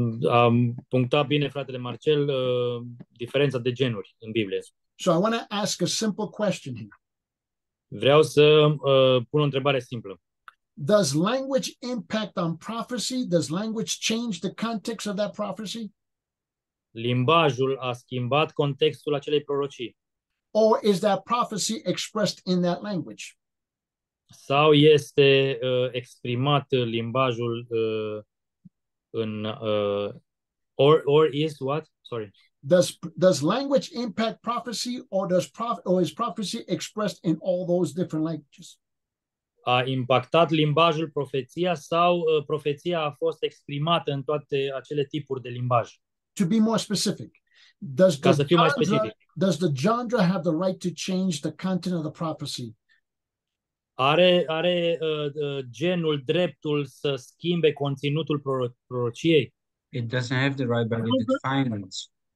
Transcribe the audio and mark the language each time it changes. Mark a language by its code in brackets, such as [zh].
[ro] Am punctat bine, fratele Marcel, diferența de genuri în Biblie. [en] So I want to ask a simple question here. [ro] Vreau să pun o întrebare simplă. [en] Does language impact on prophecy? Does language change the context of that prophecy? [ro] Limbajul a schimbat contextul acelei prorocii. [en] Or is that prophecy expressed in that language? [ro] Sau este exprimat limbajul în [en] or is what? Sorry. Does language impact prophecy or does prof or is prophecy expressed in all those different languages? [ro] A impactat limbajul profeția sau profeția a fost exprimată în toate acele tipuri de limbaj? [en] To be more specific, [ro] ca să fiu mai specific, [en] does the genre have the right to change the content of the prophecy? [ro] Are genul dreptul să schimbe conținutul prorociei? [en] It doesn't have the right, but it defines.